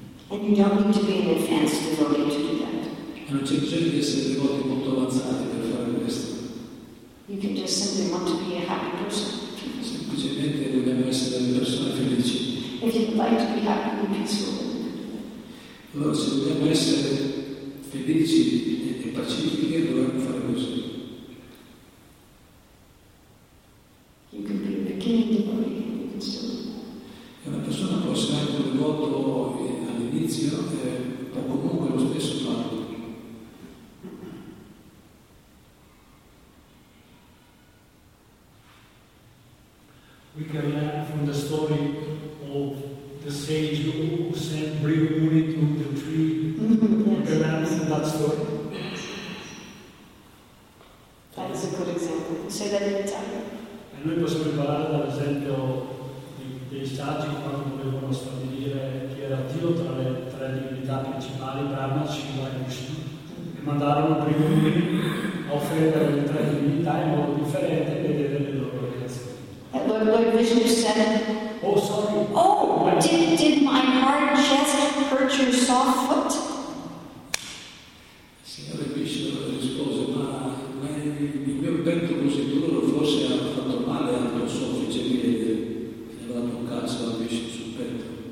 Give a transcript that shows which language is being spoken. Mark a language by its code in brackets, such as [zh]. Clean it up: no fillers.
[en] And you don't need to be an advanced devotee to do that. [it] Non c'è bisogno di essere devoti molto avanzati per fare questo. [en] You can just simply want to be a happy person. [it] Semplicemente vogliamo essere delle persone felici. [en] If you'd like to be happy and peaceful. [it] Allora, se vogliamo essere felici e pacifiche, dovremmo fare così. [en] You can be a beginning devotee. [it] Una persona può essere anche un devoto all'inizio, o comunque lo stesso fatto. [en] We can learn from the story of the sage who sent Brihuri to the tree. We can learn from that story. That is a good example. Say that in Italian. [it] E noi possiamo imparare dall'esempio dei saggi quando dovevano stabilire chi era Dio tra le tre divinità principali, Brahma, Shiva e Vishnu, e mandarono Brihuri a offrire le tre divinità in modo differente e vedere le loro. [en] Lord Vishnu said, oh, sorry. Oh, did my hard chest hurt your soft foot? [it] Signore Vishnu rispose, ma il mio petto così duro forse ha fatto male al tuo soffice piede. E va a toccarsi la Vishnu sul petto.